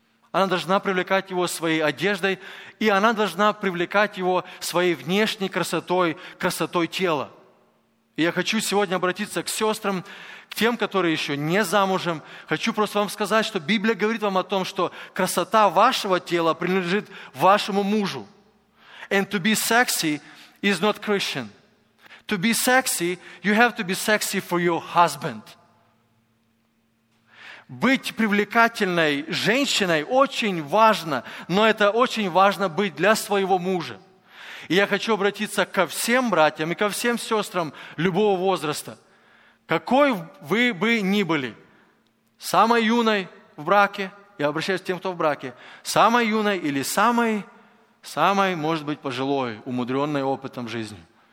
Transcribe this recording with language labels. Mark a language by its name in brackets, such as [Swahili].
[Russian] Она должна привлекать его своей одеждой, и она должна привлекать его своей внешней красотой, красотой тела. И я хочу сегодня обратиться к сестрам, к тем, которые еще не замужем. Хочу просто вам сказать, что Библия говорит вам о том, что красота вашего тела принадлежит вашему мужу. [English] And to be sexy is not Christian. To be sexy, you have to be sexy for your husband. [Russian] Быть привлекательной женщиной очень важно, но это очень важно быть для своего мужа. И я хочу обратиться ко всем братьям и ко всем сестрам любого возраста. Какой вы бы ни были, самой юной в браке, я обращаюсь к тем, кто в браке, самой юной или самой, может быть, пожилой, умудренной опытом жизни.